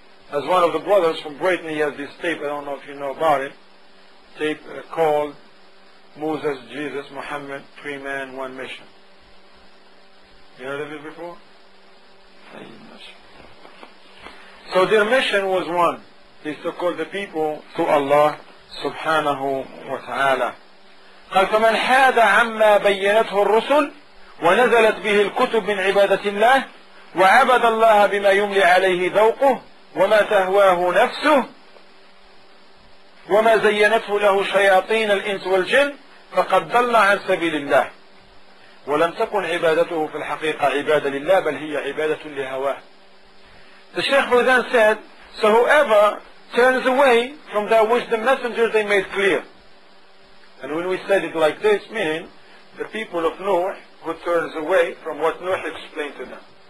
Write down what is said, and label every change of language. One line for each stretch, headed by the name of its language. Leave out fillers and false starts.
English: As one of the brothers from Britain, he has this tape, I don't know if you know about it, tape called Moses, Jesus, Muhammad, Three Men, One Mission. You heard of it before? So their mission was one, is to call the people to Allah subhanahu wa ta'ala.
Arabic: قال فمن حاد عما بينته الرسل ونزلت به الكتب من عبادة الله وعبد الله بما يملي عليه ذوقه وما تهواه نفسه وما زينته له شياطين الإنس والجن فقد ضل عن سبيل الله ولم تكن عبادته في الحقيقة عبادة لله بل هي عبادة لهواه.
English: The Sheikh Fawzan said, so whoever turns away from that which the messengers they made clear. And when we said it like this, meaning the people of Nuh who turns away from what Nuh explained to them.